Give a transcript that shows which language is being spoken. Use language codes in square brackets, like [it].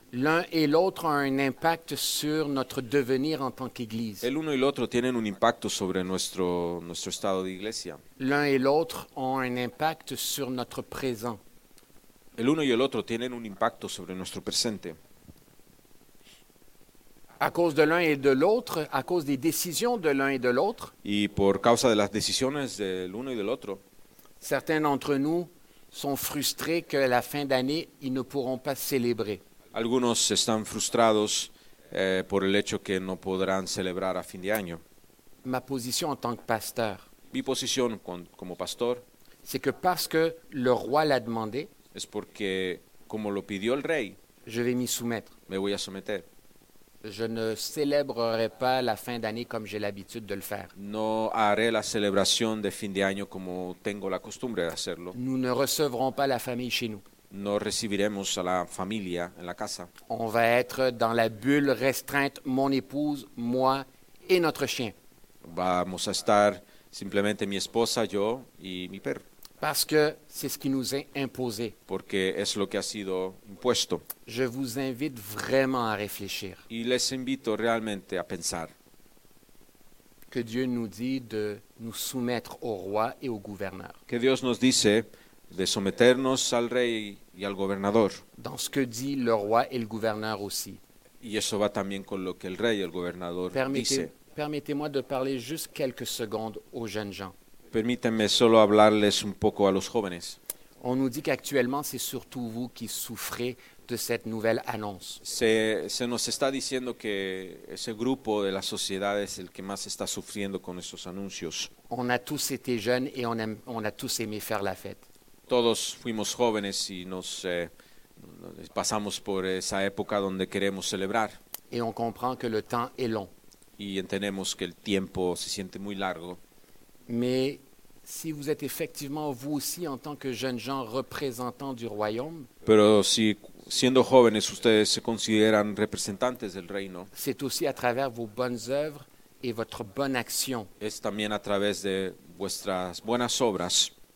[fr] L'un et l'autre ont un impact sur notre devenir en tant qu'Église. [es] El uno y el otro tienen un impacto sobre nuestro estado de iglesia. [fr] L'un et l'autre ont un impact sur notre présent. [es] El uno y el otro tienen un impacto sobre nuestro presente. [fr] À cause de l'un et de l'autre, à cause des décisions de l'un et de l'autre. [es] Y por causa de las decisiones del uno y del otro. [fr] Certains d'entre nous sont frustrés que la fin d'année, ils ne pourront pas célébrer. [es] Algunos están frustrados por el hecho que no podrán celebrar a fin de año. [fr] Ma posición en tant que pasteur. [es] Mi posición como pastor. [fr] C'est que parce que le roi l'a demandé. [es] Es porque como lo pidió el rey. [fr] Je vais m'y soumettre. [es] Me voy a someter. [fr] Je ne célébrerai pas la fin d'année comme j'ai l'habitude de le faire. [es] No haré la celebración de fin de año como tengo la costumbre de hacerlo. [fr] Nous ne recevrons pas la famille chez nous. [es] No recibiremos a la familia en la casa. [fr] On va être dans la bulle restreinte, mon épouse, moi et notre chien. [es] Vamos a estar simplemente mi esposa, yo y mi perro. [fr] Parce que c'est ce qui nous est imposé. [es] Porque es lo que ha sido impuesto. [fr] Je vous invite vraiment à réfléchir. [es] Y les invito realmente a pensar. [fr] Que Dieu nous dit de nous soumettre au roi et au gouverneur. [es] Que Dios nos dice de someternos al rey y al gobernador. [fr] Dans ce que dit le roi et le gouverneur aussi. [es] Y eso va también con lo que el rey y el gobernador dice. [fr] Permettez-moi de parler juste quelques secondes aux jeunes gens. [es] Permítanme solo hablarles un poco a los jóvenes. [fr] On nous dit qu'actuellement c'est surtout vous qui souffrez de cette nouvelle annonce. [es] Se nos está diciendo que ese grupo de la sociedad es el que más está sufriendo con estos anuncios. [fr] On a tous été jeunes et on a tous aimé faire la fête. [es] Todos fuimos jóvenes y pasamos por esa época donde queremos celebrar. [fr] Et on comprend que le temps est long. [es] Y entendemos que el tiempo se siente muy largo. [fr] Mais si vous êtes effectivement vous aussi en tant que jeunes gens représentants du royaume. [es] Pero si siendo jóvenes ustedes se consideran representantes del reino. [fr] C'est aussi à travers vos bonnes œuvres et votre bonne action. [es] Es también a través de vuestras buenas obras.